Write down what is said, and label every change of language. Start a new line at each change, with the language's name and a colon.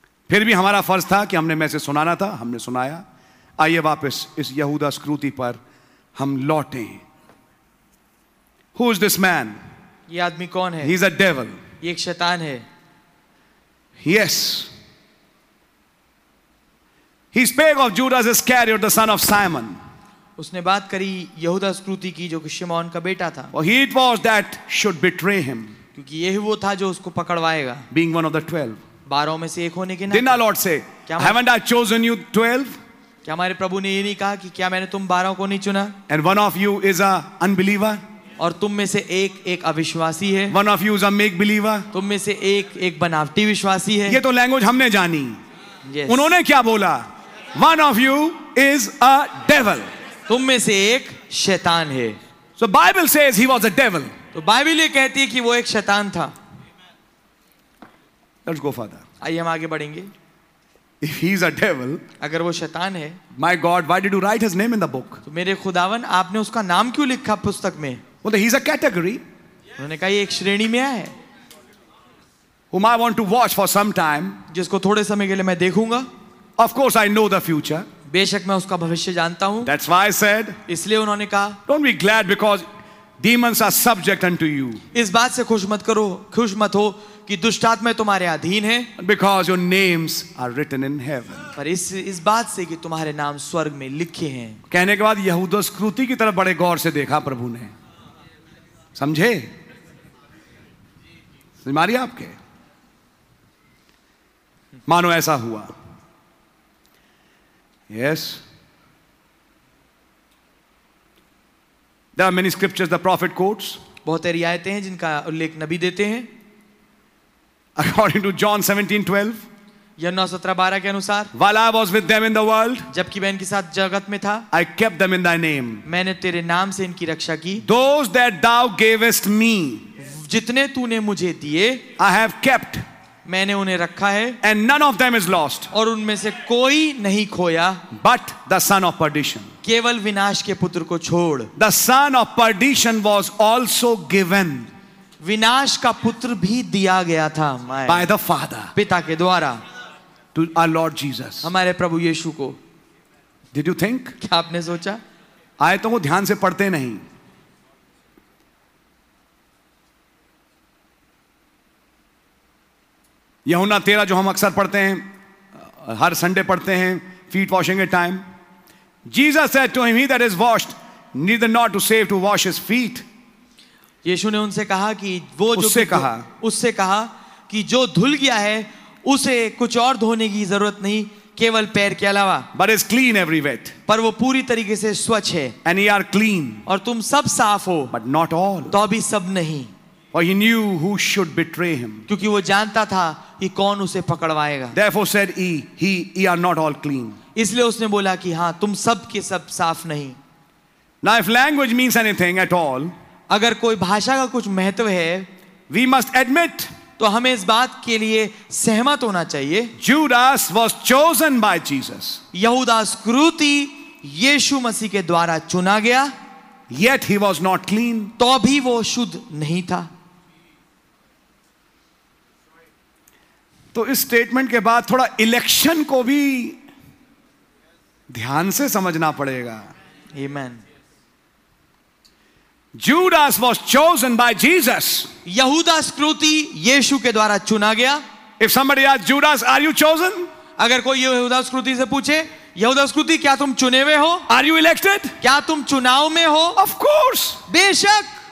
Hindi: फिर भी हमारा फर्ज था कि हमने मैसेज सुनाना था, हमने सुनाया। आइए वापस इस यहूदा स्कृति पर हम लौटें।
English: Who is this man?
Hindi: ये आदमी कौन है?
English: He is a devil.
Hindi: ये एक शैतान है।
English: Yes. He spoke of Judas Iscariot, the son of Simon.
Hindi: उसने बात करी यहूदा स्कृति की, जो कि शिमोन का बेटा था।
English: Well, he it was that should betray him.
Hindi: क्योंकि ये ही वो था जो उसको पकड़वाएगा।
English: Being one of the 12,
Hindi: बारों में से एक होने के नाते,
English: Did not Lord say, haven't I chosen you 12?
Hindi: क्या हमारे प्रभु ने ये नहीं कहा कि क्या मैंने तुम बारों को नहीं चुना?
English: And one of you is a unbeliever,
Hindi: और तुम में से एक एक अविश्वासी है।
English: One of you is a make believer,
Hindi: तुम में से एक एक बनावटी विश्वासी है। ये तो लैंग्वेज हमने जानी।
English: Yes.
Hindi: उन्होंने क्या बोला?
English: One of you is a devil,
Hindi: तुम में से एक शैतान है।
English: So Bible says he was a devil.
Hindi: तो बाइबल ये कहती है कि वो एक शैतान था।
English: Let's go further.
Hindi: आइए हम आगे बढ़ेंगे।
English: If he's a devil,
Hindi: अगर वो शैतान है,
English: my God, why did you write his name in the book?
Hindi: तो मेरे खुदावन, आपने उसका नाम क्यों लिखा पुस्तक में?
English: Well, he's a category.
Hindi: उन्होंने कहा ये एक श्रेणी में है.
English: Whom I want to watch for some time.
Hindi: जिसको थोड़े समय के लिए मैं देखूँगा.
English: Of course, I know the future.
Hindi: बेशक मैं उसका भविष्य जानता हूँ.
English: That's why I said.
Hindi: इसलिए उन्होंने कहा.
English: Don't be glad because demons are subject unto you.
Hindi: इस बात से खुश मत करो, खुश मत हो. कि दुष्टात्मा तुम्हारे अधीन है
English: because your names are written in heaven.
Hindi: पर इस बात से कि तुम्हारे नाम स्वर्ग में लिखे हैं. कहने के बाद यहूदा स्क्रूती की तरफ बड़े गौर से देखा प्रभु ने. समझे? बीमारी आपके मानो ऐसा हुआ.
English: Yes, there are many scriptures the prophet quotes.
Hindi: बहुत सारी आयतें हैं जिनका उल्लेख नबी देते हैं.
English: According to John 17:12,
Hindi: यह 9:17-12 के अनुसार,
English: while I was with them in the world,
Hindi: जबकि मैं इनके साथ जगत में था,
English: I kept them in thy name,
Hindi: मैंने तेरे नाम से इनकी रक्षा की,
English: those that thou gavest me,
Hindi: जितने तूने मुझे दिए,
English: I have kept,
Hindi: मैंने उन्हें रखा है,
English: and none of them is lost,
Hindi: और उनमें से कोई नहीं खोया,
English: but the son of perdition,
Hindi: केवल विनाश के पुत्र को छोड़,
English: the son of perdition was also given.
Hindi: विनाश का पुत्र भी दिया गया था
English: by the father
Hindi: पिता के द्वारा
English: to our lord Jesus
Hindi: हमारे प्रभु यीशु को.
English: did you think
Hindi: क्या आपने सोचा? आयतों को ध्यान से पढ़ते नहीं. यूहन्ना 13 जो हम अक्सर पढ़ते हैं, हर संडे पढ़ते हैं, फीट वॉशिंग के time,
English: Jesus said to him, he that is washed neither not to save to wash his feet.
Hindi: यीशु ने उनसे कहा कि वो जो उससे कहा, उससे कहा कि जो धुल गया है उसे कुछ और धोने की जरूरत नहीं केवल पैर के अलावा.
English: But it's clean every bit.
Hindi: पर वो पूरी तरीके से स्वच्छ है.
English: And you are clean.
Hindi: और तुम सब साफ हो.
English: But not all.
Hindi: तो भी सब नहीं.
English: For he knew who should betray him.
Hindi: क्योंकि वो जानता था कि कौन उसे पकड़वाएगा.
English: Therefore said he, you are not all clean.
Hindi: इसलिए उसने बोला कि हाँ तुम सब के सब साफ नहीं.
English: Now if language means anything at all,
Hindi: अगर कोई भाषा का कुछ महत्व है,
English: we must admit,
Hindi: तो हमें इस बात के लिए सहमत होना चाहिए.
English: Judas was chosen by Jesus.
Hindi: यहूदा स्क्रूती यीशु मसीह के द्वारा चुना गया.
English: Yet he was not clean.
Hindi: तो भी वो शुद्ध नहीं था. तो इस स्टेटमेंट के बाद थोड़ा इलेक्शन को भी ध्यान से समझना पड़ेगा.
English: Amen. Judas was chosen by Jesus.
Hindi: यहूदा स्क्रूती यीशु के द्वारा चुना गया.
English: If somebody asks Judas, are you chosen?
Hindi: अगर कोई यहूदा स्क्रूती से पूछे, यहूदा स्क्रूती क्या तुम चुने हुए हो?
English: Are you elected?
Hindi: क्या तुम चुनाव में हो?
English: Of course.
Hindi: बेशक.